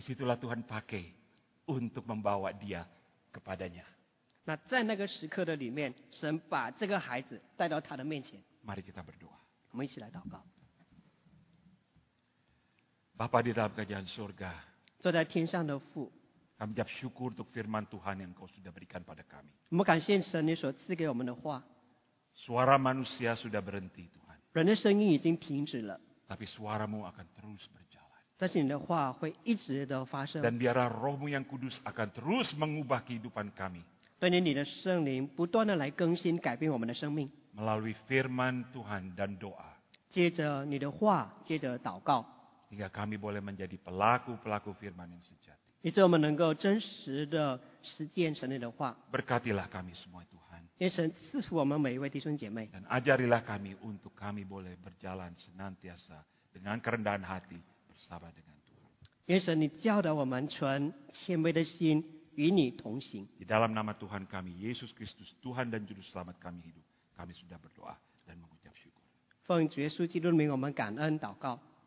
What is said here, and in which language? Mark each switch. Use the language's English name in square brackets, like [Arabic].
[Indonesian] Disitulah Tuhan pakai untuk membawa dia kepadanya. [Chinese] 那在那个时刻的里面，神把这个孩子带到他的面前。 [Indonesian] Mari kita berdoa. [Chinese] 我们一起来祷告。 [Indonesian] Bapa di dalam kerajaan surga. [Chinese] 坐在天上的父。 [Indonesian] Kami ucap syukur untuk firman Tuhan yang Kau sudah berikan pada kami. [Chinese] 我们感谢神你所赐给我们的话。 [Indonesian] Suara manusia sudah berhenti, Tuhan. [Chinese] 人的声音已经停止了。 [Indonesian] Tapi suaramu akan terus berjalan. [Chinese] 但是你的话会一直的发生。 [Indonesian] Dan biarlah rohmu yang kudus akan terus mengubah kehidupan kami. [Chinese] 对你的圣灵不断地来更新改变我们的生命。 [Indonesian] Melalui firman Tuhan dan doa. [Chinese] 借着你的话，借着祷告。 [Indonesian] Sehingga kami boleh menjadi pelaku-pelaku firman yang sejati. [Chinese] 以致我们能够真实地实践神的话。 [Indonesian] Berkatilah kami semua, Tuhan. [Chinese] 愿神赐福我们每一位弟兄姐妹。 [Indonesian] Dan ajarilah kami untuk kami boleh berjalan senantiasa dengan kerendahan hati bersama dengan Tuhan. [Chinese] 愿神你教导我们存谦卑的心与你同行。 [Indonesian] Di dalam nama Tuhan kami, Yesus Kristus, Tuhan dan Juru Selamat kami hidup, kami sudah berdoa dan mengucap syukur. [Chinese] 奉主耶稣基督的名我们感恩祷告。